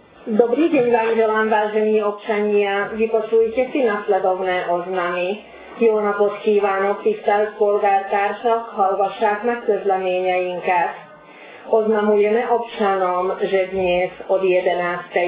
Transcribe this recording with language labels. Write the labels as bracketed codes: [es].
[sk] Dobrý deň vám želám, vážení občania. Vypočujte si nasledovné oznamy. [hu] Ilona Poszky Ivánov, tisztelt polgártársak, hallgassák meg közleményeinket. [sk] Oznamujeme občanom, že dnes od 11.